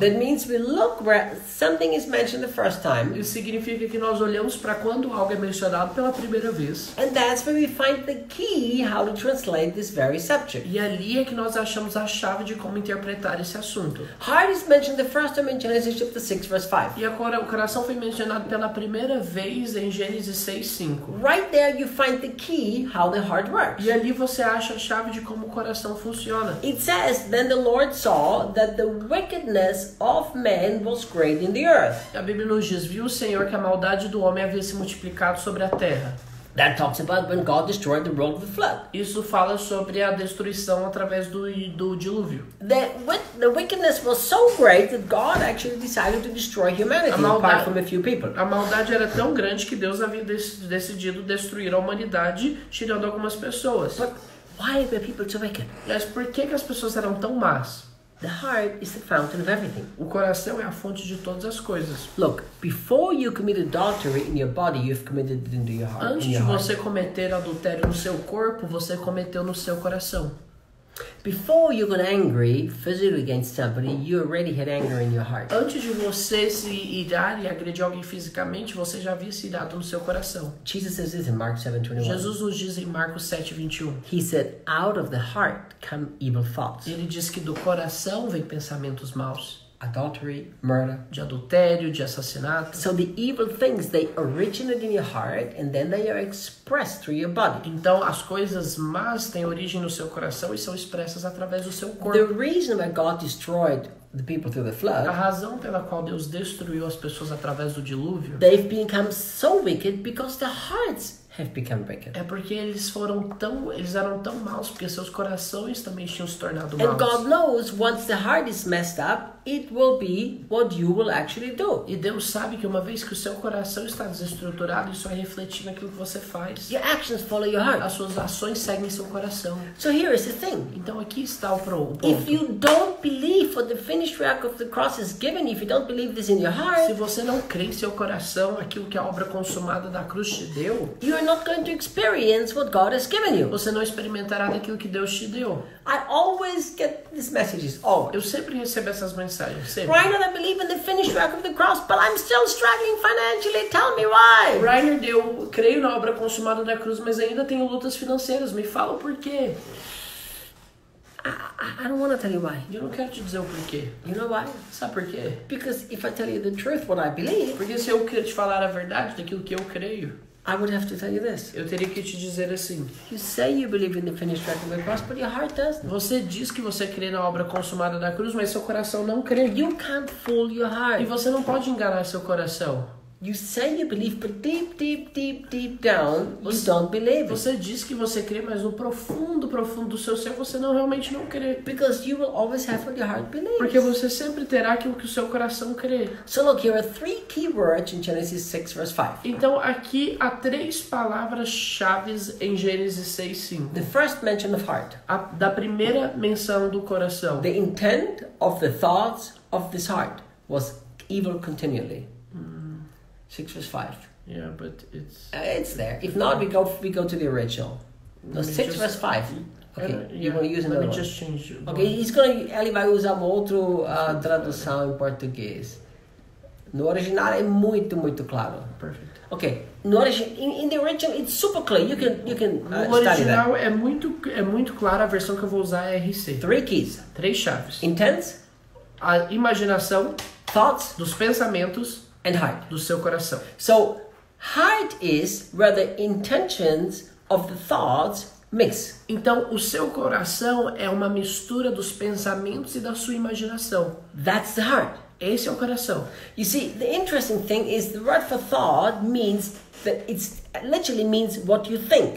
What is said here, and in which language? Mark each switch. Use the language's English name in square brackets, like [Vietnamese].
[English] That means we look where something is mentioned the first time. [Portuguese] Isso significa que nós olhamos para quando algo é mencionado pela primeira vez. [English] And that's where we find the key how to translate this very subject. [Portuguese] E ali é que nós achamos a chave de como interpretar esse assunto. [English] Heart is mentioned the first time in Genesis chapter 6 verse 5. [Portuguese] E agora o coração foi mencionado pela primeira vez em Gênesis 6, 5. [English] Right there you find the key how the heart works. [Portuguese] E ali você acha a chave de como o coração funciona. [English] It says, then the Lord saw that the wickedness of man was great in the earth. [Portuguese] A Bíblia nos diz, viu o Senhor que a maldade do homem havia se multiplicado sobre a terra. [English] That talks about when God destroyed the world with the flood. [Portuguese] Isso fala sobre a destruição através do dilúvio. [English] The wickedness was so great that God actually decided to destroy humanity apart from a few people. [Portuguese] A maldade era tão grande que Deus havia decidido destruir a humanidade tirando algumas pessoas. [English] But why were people so wicked? [Portuguese] Mas por que as pessoas eram tão más? [English] The heart is the fountain of everything. [Portuguese] O coração é a fonte de todas as coisas. [English] Look, before you commit adultery in your body, you've committed it into your heart. [Portuguese] Antes de você cometer adultério no seu corpo, você cometeu no seu coração. [English] Before you got angry physically against somebody, you already had anger in your heart. [Portuguese] Antes de você se irar e agredir alguém fisicamente, você já havia se irado no seu coração. [English] Jesus says this in Mark 7:21. [Portuguese] Jesus nos diz em Marcos 7:21. [English] He said, "Out of the heart come evil thoughts." [Portuguese] Ele diz que do coração vêm pensamentos maus. [English] Adultery, murder, [Portuguese] de adultério, de assassinato. [English] So the evil things, they originate in your heart and then they are expressed through your body. [Portuguese] Então as coisas más têm origem no seu coração e são expressas através do seu corpo. [English] The reason why God destroyed the people through the flood. [Portuguese] A razão pela qual Deus destruiu as pessoas através do dilúvio. [English] They've become so wicked because their hearts have become wicked. [Portuguese] É porque eles eram tão maus porque seus corações também tinham se tornado maus. [English] And God knows once the heart is messed up, it will be what you will actually do. [Portuguese] E Deus sabe que uma vez que o seu coração está desestruturado, isso vai refletir naquilo que você faz. [English] Your actions follow your heart. [Portuguese] As suas ações seguem seu coração. [English] So here is the thing. [Portuguese] Então aqui está o ponto. [English] If you don't believe what the finished work of the cross is given, if you don't believe this in your heart, [Portuguese] se você não crê em seu coração aquilo que a obra consumada da cruz te deu, [English] you are not going to experience what God has given you. [Portuguese] Você não experimentará aquilo que Deus te deu. [English] I always get these messages. Always. [Portuguese] Eu sempre recebo essas mensagens. Sempre. [English] Reinhard, I believe in the finished work of the cross, but I'm still struggling financially. Tell me why. [Portuguese] Reinhard, eu creio na obra consumada da cruz, mas ainda tenho lutas financeiras. Me fala por quê. [English] I don't want to tell you why. [Portuguese] Eu não quero te dizer o porquê. [English] You know why? [Portuguese] Sabe por quê? [English] Because if I tell you the truth, what I believe. [Portuguese] Porque se eu te falar a verdade daquilo que eu creio. [English] I would have to tell you this. [Portuguese] Eu teria que te dizer assim. [English] You say you believe in the finished work of the cross, but your heart doesn't. [Portuguese] Você diz que você crê na obra consumada da cruz, mas seu coração não crê. [English] You can't fool your heart. [Portuguese] E você não pode enganar seu coração. [English] You say you believe, but deep, deep, deep, deep down, you don't believe. [Portuguese] Você diz que você crê, mas no profundo, profundo do seu ser, você realmente não crê. [English] Because you will always have what your heart believes. [Portuguese] Porque você sempre terá aquilo que o seu coração crê. [English] So look, here are three key words in Genesis 6, verse 5. [Portuguese] Então, aqui há três palavras-chave em Gênesis 6, 5. [English] The first mention of heart. [Portuguese] Da primeira menção do coração. [English] The intent of the thoughts of this heart was evil continually. 6 verse 5. Yeah, but it's... It's there. If not, we go to the original. No, 6 just, verse 5. Okay, yeah, you want to use another let me one. Just change... Okay, he's going to... [Portuguese] Ele vai usar outro tradução em português. No original é muito, muito claro. [English] Perfect. Okay. [Portuguese] No original, [English] in the original, it's super clear. You can [Portuguese] no original é muito claro. A versão que eu vou usar é RC. [English] Three keys. [Portuguese] Três chaves. [English] Intense. [Portuguese] A imaginação. [English] Thoughts. [Portuguese] Dos pensamentos. [English] And heart. [Portuguese] Do seu coração. [English] So, heart is where the intentions of the thoughts mix. [Portuguese] Então, o seu coração é uma mistura dos pensamentos e da sua imaginação. [English] That's the heart. [Portuguese] Esse é o coração. [English] You see, the interesting thing is the word for thought means that it's literally means what you think.